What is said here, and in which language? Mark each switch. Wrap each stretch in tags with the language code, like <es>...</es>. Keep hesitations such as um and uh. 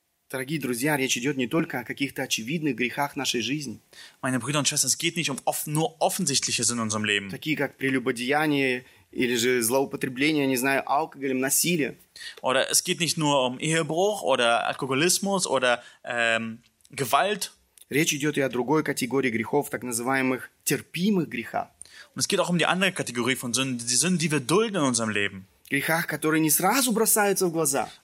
<ru>Дорогие друзья, речь идет не только о каких-то очевидных грехах нашей жизни.</ru> <de>Meine Brüder und Schwestern, es geht nicht um off nur offensichtliche Sünden in unserem Leben.</de> <ru>Такие как прелюбодеяние или же злоупотребление, не знаю, алкоголем, насилие.</ru> <de>Oder es geht nicht nur um Ehebruch oder Alkoholismus oder ähm, Gewalt.</de> <ru>Речь идет и о другой категории грехов, так называемых терпимых грехах.</ru> <de>Und es geht auch um die andere Kategorie von Sünden, die Sünden, die wir dulden in unserem Leben.</de> <ru>Грехах, которые не сразу бросаются в глаза.</ru>